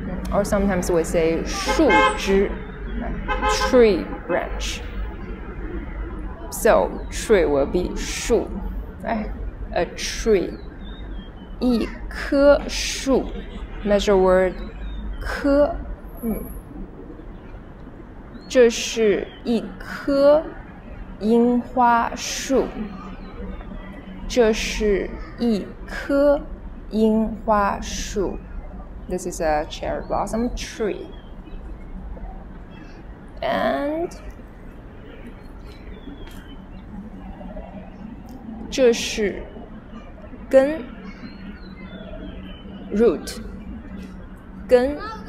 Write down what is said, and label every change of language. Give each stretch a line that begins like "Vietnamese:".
English: Or sometimes we say 树枝, tree branch. So tree will be 树, a tree.
Chinese: 一棵树,
English: measure word
Chinese: 棵. 这是一棵樱花树, 这是一棵樱花树.
English: This is a cherry blossom tree.
Chinese: And 这是根, root, 根.